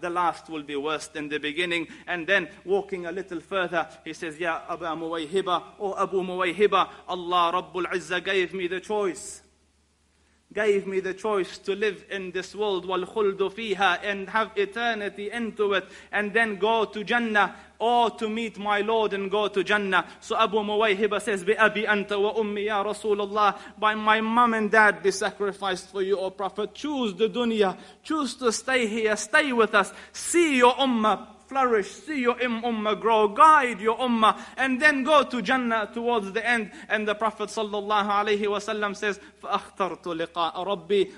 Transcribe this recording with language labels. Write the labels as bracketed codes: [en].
[en] The last will be worse than the beginning. And then, walking a little further, he says, [ar] يَا أَبَا مُوَيْهِبَ. [en] Oh, Abu Muwayhiba, Allah Rabbul Izzah gave me the choice. Gave me the choice to live in this world, [ar] وَالْخُلْدُ فِيهَا, [en] and have eternity into it, and then go to Jannah, or to meet my Lord and go to Jannah. So Abu Muwayhiba says, [ar] بِأَبِي أَنْتَ وَأُمِّي يَا رَسُولَ اللَّهِ. [en] By my mom and dad be sacrificed for you, O Prophet. Choose the dunya. Choose to stay here. Stay with us. See your ummah flourish. See your ummah grow. Guide your ummah. And then go to Jannah towards the end. And the Prophet sallallahu alayhi wa sallam says, [ar] فَأَخْتَرْتُ لِقَاءَ رَبِّي.